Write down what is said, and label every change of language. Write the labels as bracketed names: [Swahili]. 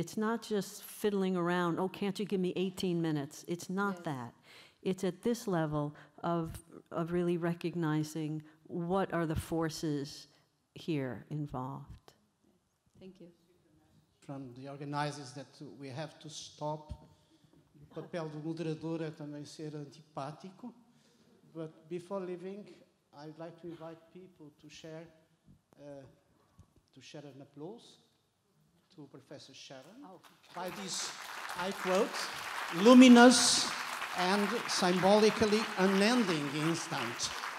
[English] It's not just fiddling around, oh, can't you give me 18 minutes? It's not that. It's at this level of really recognizing what are the forces here involved. Thank you. From the organizers that we have to stop. [Portuguese] O papel do moderador é também ser antipático. [English] But before leaving, I'd like to invite people to share an applause to Professor Charon by this, I quote, luminous and symbolically unending instant.